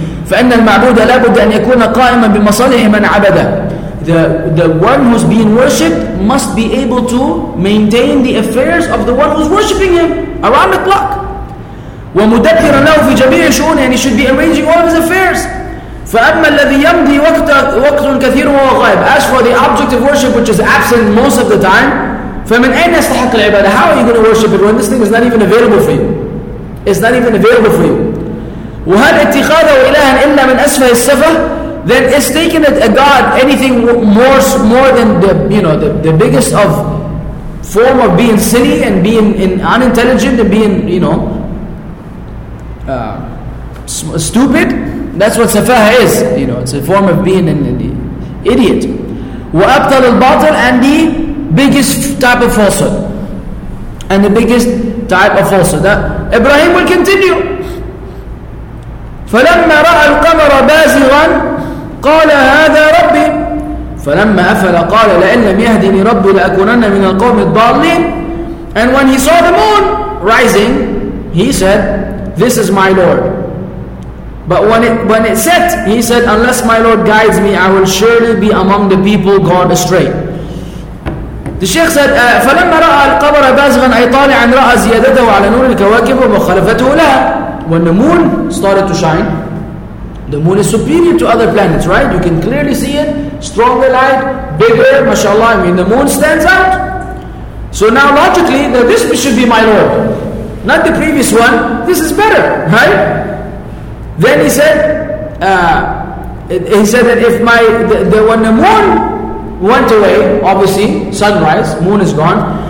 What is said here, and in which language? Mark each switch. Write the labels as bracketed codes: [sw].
[ar] فَأَنَّ الْمَعْبُودَ لَابُدَّ أَنْ يَكُونَ قَائِمًا بِمَصَالِحِ مَنْ عَبَدَ. [en] The one who's being worshipped must be able to maintain the affairs of the one who's worshipping him around the clock. [ar] ومدبر له في جميع شؤونه, [en] and he should be arranging all of his affairs. [ar] فأما الذي يمضي وقت كثير وهو غائب. [en] As for the object of worship which is absent most of the time, [ar] فمن أين يستحق العبادة. [en] How are you going to worship it when this thing is not even available for you? It's not even available for you. [ar] وهل اتخاذه إلها إلا من أسفه السفه. [en] Then is taking it a God anything more than the, you know, the biggest of form of being silly and being unintelligent and being, you know, stupid? That's what safaha is, you know, it's a form of being an idiot. [ar] وَأَبْتَلُ الْبَاطِلِ, [en] and the biggest type of falsehood. And the biggest type of falsehood. That Ibrahim will continue. [ar] فَلَمَّا رَأَى الْقَمَرَ بَازِغًا قال هذا ربي فلما أفل قال لئن لم يهدني ربي لأكونن من القوم الضالين. [en] And when he saw the moon rising, he said, this is my Lord. But when it set, he said, unless my Lord guides me, I will surely be among the people gone astray. The Sheikh said, [ar] فلما رأى القمر بازغا أي طالعا رأى زيادته على نور الكواكب ومخالفته لها. [en] When the moon started to shine, the moon is superior to other planets, right? You can clearly see it. Stronger light, bigger, mashallah. I mean, the moon stands out. So now logically, now this should be my Lord. Not the previous one. This is better, right? Then he said that if my, when the moon went away, obviously, sunrise, moon is gone.